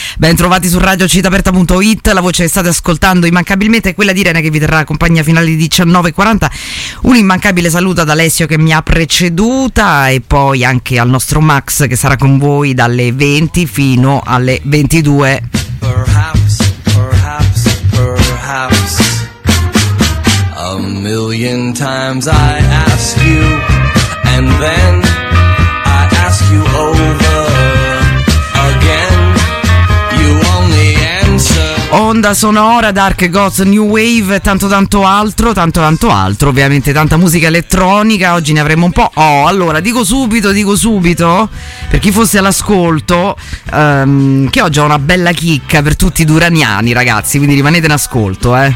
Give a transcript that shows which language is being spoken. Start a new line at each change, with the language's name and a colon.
Italian: Ben trovati su radiocittaperta.it, la voce che state ascoltando immancabilmente è quella di Irene, che vi terrà compagnia fino alle 19:40. Un immancabile saluto ad Alessio che mi ha preceduta e poi anche al nostro Max che sarà con voi dalle 20 fino alle 22.
English: Perhaps, perhaps, perhaps. A million times I ask you, and then I ask you over again. You only answer.
Italian: Onda sonora, Dark Gods, New Wave, tanto altro, ovviamente tanta musica elettronica. Oggi ne avremo un po'. Oh, allora, dico subito, per chi fosse all'ascolto, che oggi ho una bella chicca per tutti i duraniani, ragazzi, quindi rimanete in ascolto,